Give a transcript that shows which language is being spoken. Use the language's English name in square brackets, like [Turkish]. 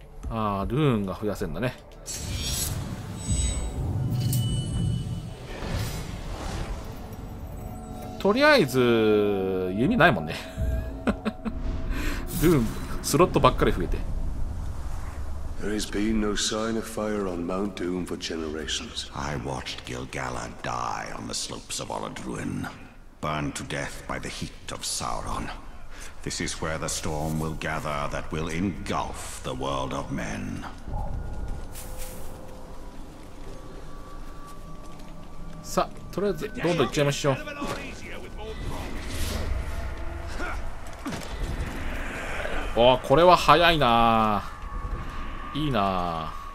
[Japanese] ルーンが増やせんだね。とりあえず弓ないもんね。ルーンスロットばっかり増えて。 [English] There has been no sign of fire on Mount Doom for generations. I watched Gil-galad die on the slopes of Olid Ruin, burned to death by the heat of Sauron. This is where the storm will gather that will engulf the world of men. [Japanese] とりあえずどんどん行っちゃいましょう。おお、これは早いな、いいな。